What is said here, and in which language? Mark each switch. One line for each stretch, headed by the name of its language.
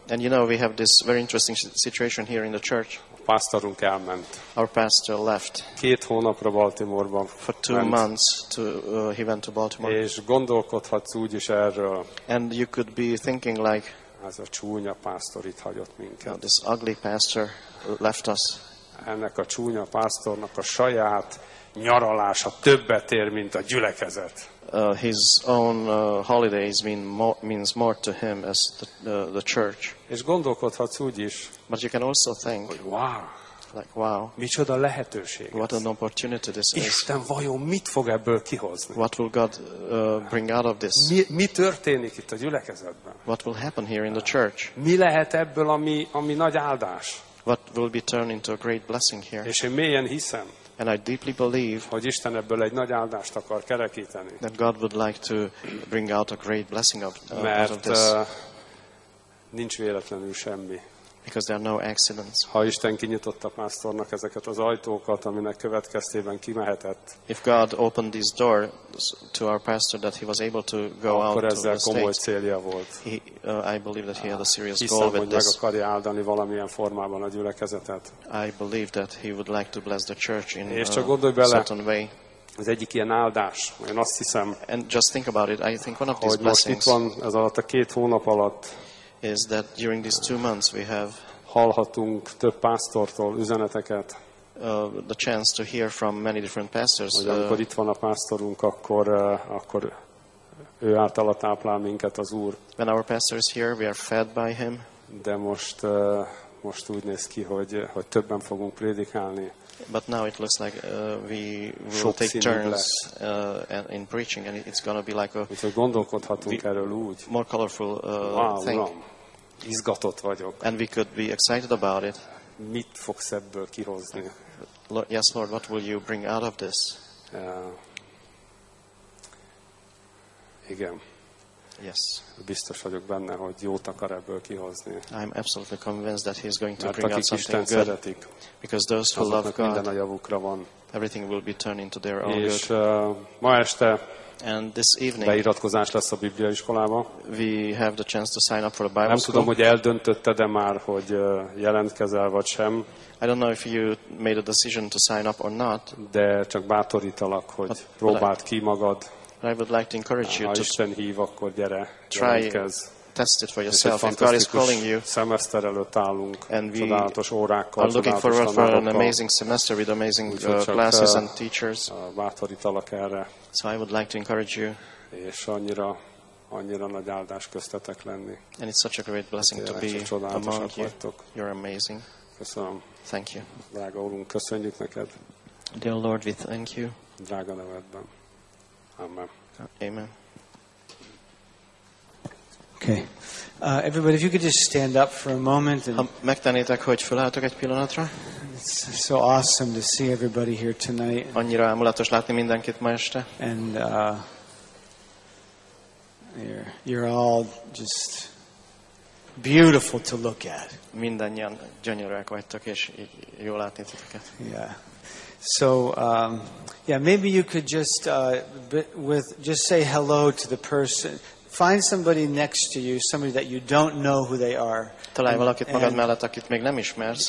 English: And you know, we have this very interesting situation here in the church.
Hungarian: A pásztorunk elment.
English: Our pastor left.
Hungarian: 2 hónapra Baltimore-ban.
English: For 2 months to he went to Baltimore.
Hungarian: És gondolkodhatsz úgy is erről.
English: And you could be thinking like,
Hungarian: ez a csúnya pásztor itt hagyott minket.
English: No, this ugly pastor left us.
Hungarian: Ennek a csúnya pásztornak a saját nyaralása többet ér, mint a gyülekezet.
English: His own holidays means more to him as the church.
Hungarian: És gondolkodhatsz úgy is.
English: But you can also think,
Hungarian: hogy wow,
English: like wow,
Hungarian: micsoda lehetőség.
English: What an opportunity this is.
Hungarian: Isten vajon mit fog ebből kihozni?
English: What will God bring out of this?
Hungarian: Mi történik itt a gyülekezetben?
English: What will happen here in the church?
Hungarian: Mi lehet ebből ami nagy áldás?
English: What will be turned into a great blessing here?
Hungarian: És én mélyen hiszem.
English: And I deeply believe,
Hungarian: hogy Isten ebből egy nagy áldást akar kerekíteni.
English: That God would like to bring out a great blessing of,
Hungarian: mert,
English: out of this.
Hungarian: Nincs véletlenül semmi.
English: Because there are no accidents.
Hungarian: Ha Isten kinyitotta pásztornak ezeket az ajtókat, aminek következtében kimehetett.
English: If God opened this door to our pastor that he was able to go out to the state.
Hungarian: Akkor ez komoly célja volt.
English: I believe that he had a serious
Hungarian: hiszem,
English: goal with this.
Hungarian: Hiszem, hogy meg akarja áldani valamilyen formában a gyülekezetet.
English: I believe that he would like to bless the church in a certain way.
Hungarian: Ez egyik ilyen áldás. Én azt hiszem,
English: and just think about it. I think one of these blessings.
Hungarian: Hogy most itt van ez alatt a 2 hónap alatt.
English: Is that during these 2 months we have
Hungarian: hallhatunk több pásztortól üzeneteket,
English: the chance to hear from many different pastors.
Hungarian: Hogy amikor itt van a pásztorunk, akkor ő általa táplál minket az Úr.
English: When our pastor is here, we are fed by him.
Hungarian: De most úgy néz ki, hogy többen fogunk prédikálni.
English: But now it looks like we will
Hungarian: sok
English: take turns in preaching, and it's going to be like a
Hungarian: gondolkodhatunk erről úgy.
English: More colorful thing.
Hungarian: Uram, izgatott vagyok.
English: And we could be excited about it.
Hungarian: Mit fogsz ebből kihozni?
English: Yes, Lord, what will you bring out of this?
Hungarian: Igen.
English: Yes.
Hungarian: Biztos vagyok benne, hogy jót akar ebből kihozni.
English: I'm absolutely convinced that he's going to
Hungarian: mert
English: bring out something good.
Hungarian: Szeretik,
English: because those who love God,
Hungarian: minden a javukra van.
English: Everything will be turned into their own
Hungarian: és,
English: good.
Hungarian: Ma este
English: and this evening,
Hungarian: beiratkozás lesz a Biblia iskolába.
English: We have the chance to sign up for a Bible
Hungarian: nem
English: school.
Hungarian: Nem tudom, hogy eldöntötted-e már, hogy jelentkezel vagy sem.
English: I don't know if you made a decision to sign up or not.
Hungarian: De csak bátorítalak, hogy próbáld ki magad.
English: I would like to encourage you to
Hungarian: hív, akkor gyere,
English: try
Hungarian: jelentkez.
English: Test it for yourself. If God is calling you,
Hungarian: semester előtt állunk,
English: and we
Hungarian: csodálatos órákkal,
English: are looking
Hungarian: csodálatos
English: forward for an amazing semester with amazing classes and teachers.
Hungarian: Bátorítalak erre.
English: So I would like to encourage you.
Hungarian: És annyira nagy áldás köztetek lenni.
English: And it's such a great blessing to be among you.
Hungarian: Vagytok.
English: You're amazing.
Hungarian: Köszönöm.
English: Thank you.
Hungarian: Drága Úrunk, köszönjük neked.
English: Dear Lord, we thank you.
Hungarian: Drága nevedben. Amen.
English: Okay. Everybody, if you could just stand up for a moment.
Hungarian: Megtennétek, hogy fölálltok egy pillanatra?
English: It's so awesome to see everybody here tonight.
Hungarian: Annyira ámulatos látni mindenkit ma este.
English: And you're all just beautiful to look at.
Hungarian: Mindannyian gyönyörűek vagytok, és jól látni titeket.
English: Yeah. So maybe you could just just say hello to the person. Find somebody next to you, somebody that you don't know who they are.
Hungarian: Találj valakit magad mellett, akit még nem ismersz.